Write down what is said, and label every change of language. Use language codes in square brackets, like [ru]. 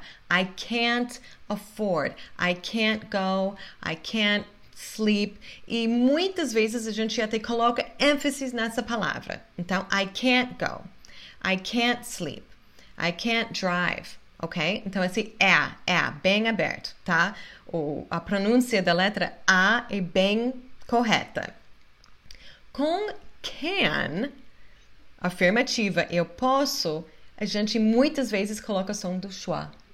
[en] I can't afford, I can't go, I can't sleep. [pt] E muitas vezes a gente até coloca ênfase nessa palavra. Então, [en] I can't go, I can't sleep. I can't drive, ok? [pt] Então, esse é bem aberto, tá? A pronúncia da letra A é bem correta. Com can, afirmativa, eu posso, a gente muitas vezes coloca o som do schwa.